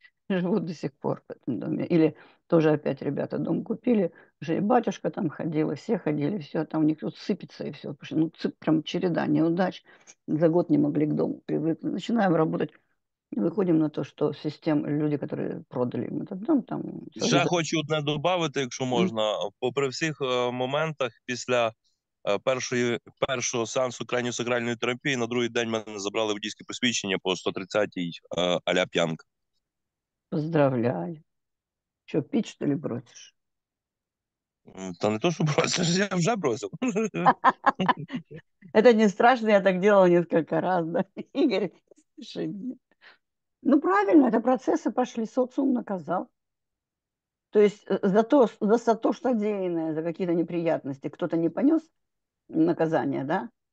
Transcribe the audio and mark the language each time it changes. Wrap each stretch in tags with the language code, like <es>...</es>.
<ru>Живут до сих пор в этом доме. Или тоже опять ребята дом купили, уже и батюшка там ходил, и все ходили, и все, там у них тут сыпется, и все. Пошли. Ну, прям череда неудач. За год не могли к дому привыкнуть. Начинаем работать. И выходим на то, что система, люди, которые продали им этот дом, там свои...</ru> <uk>Ще хочу одне додати, якщо можна. Попри всіх моментах, після першого сеансу краніосакральної терапії, на другий день мене забрали водійське посвідчення по 130-й, а-ля п'янка.</uk> <ru>Поздравляю. Что, пить, что ли, бросишь?</ru> <uk>Та не то, що бросиш, я вже бросив.</uk> <ru>Это не страшно, я так делала несколько раз, да? Игорь, слушай меня. Ну, правильно, это процессы пошли, социум наказал. То есть за то, что содеянное, за какие-то неприятности, кто-то не понес наказание, да?</ru>